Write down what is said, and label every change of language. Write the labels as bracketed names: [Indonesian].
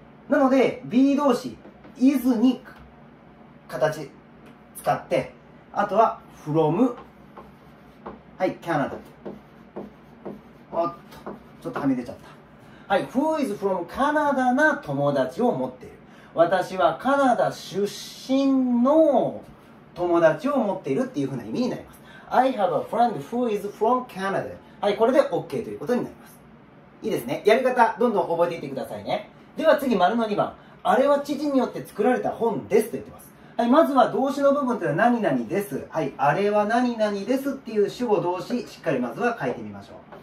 [Japanese] なので be 動詞 is に形使って、あとは from、 はい、カナダ、おっとちょっとはみ出ちゃった。はい、 [English] who is from [Japanese] カナダな友達を持っている、私はカナダ出身の友達を持っているっていう風な意味になります。 [English] I have a friend who is from Canada。 [Japanese] はい、これで OK ということになります。いいですね、やり方どんどん覚えていってくださいね。では次丸の2番、あれは知事によって作られた本ですと言ってます。はい、まずは動詞の部分というのは何々です。はい、あれは何々ですっていう主語動詞しっかりまずは書いてみましょう。